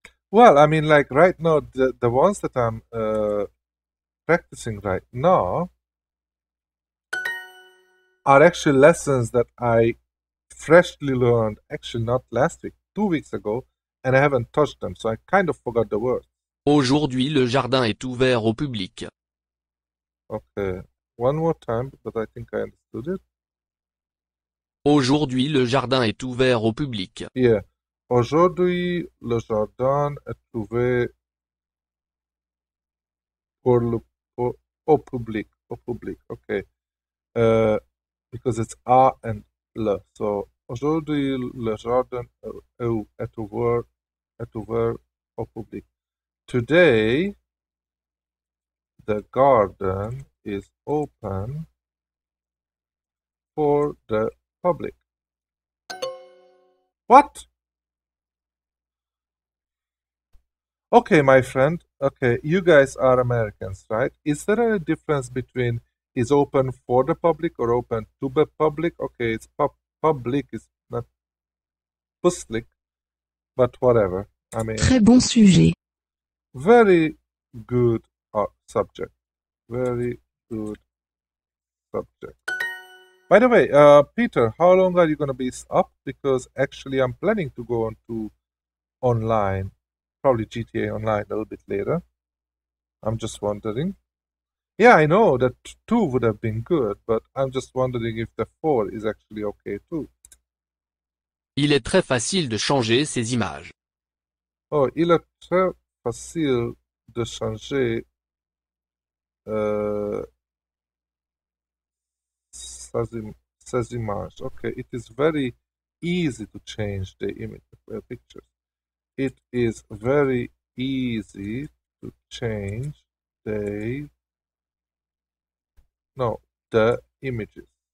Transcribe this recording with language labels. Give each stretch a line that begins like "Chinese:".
English: Well, I mean, like, right now, the ones that I'm practicing right now are actually lessons that I freshly learned, actually not last week, 2 weeks ago, and I haven't touched them, so I kind of forgot the words.
French: Aujourd'hui, le jardin est ouvert au public.
English: Okay, one more time, but I think I understood it.
French: Aujourd'hui, le jardin est ouvert au public.
English: Yeah.
French: Aujourd'hui, le jardin est ouvert pour le au public.
English: Okay, because it's a and le.
French: So aujourd'hui, le jardin est ouvert au public.
English: Today, the garden is open for the public. What? Okay, my friend, okay, you guys are Americans, right? Is there a difference between is open for the public or open to the public? Okay, it's public, it's not public, but whatever. I mean,
French: très bon sujet.
English: Very good subject. Very good subject. By the way, Peter, how long are you going to be up? Because actually I'm planning to go on to online. Probably GTA Online a little bit later. I'm just wondering. Yeah, I know that 2 would have been good, but I'm just wondering if the 4 is actually okay too.
French: Il est très facile de changer ces images. Oh, il est très facile de changer ces images.
English: Okay, it is very easy to change the image of the picture. It is very easy to change the images.